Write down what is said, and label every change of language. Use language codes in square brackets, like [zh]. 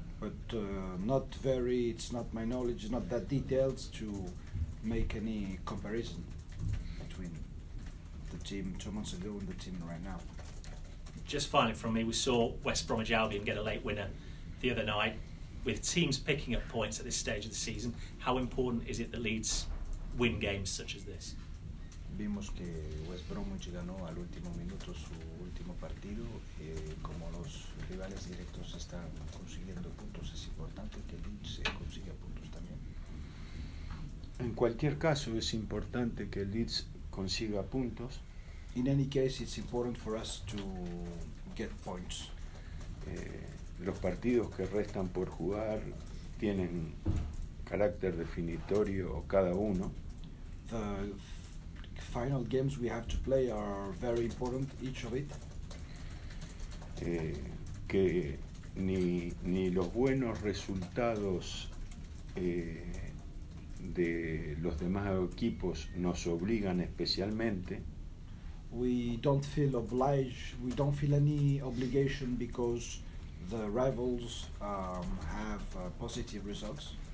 [en] But not very, it's not my knowledge, not that detailed to make any comparison between the team 2 months ago and the team right now. Just finally from me, we saw West Bromwich Albion get a late winner the other night. With teams picking up points at this stage of the season, how important is it that Leeds win games such as this? [es] Vimos que West Bromwich ganó al último minuto su último partido. Como los rivales directos están consiguiendo puntos, es importante que Leeds consiga puntos también. En cualquier caso, es importante que Leeds consiga puntos. [en] In any case, it's important for us to get points. [es] Los partidos que restan por jugar tienen carácter definitorio cada uno. [en] The final games we have to play are very important, each of it. [es] Que ni los buenos resultados de los demás equipos nos obligan especialmente. [en] We don't feel any obligation because the rivals have positive results.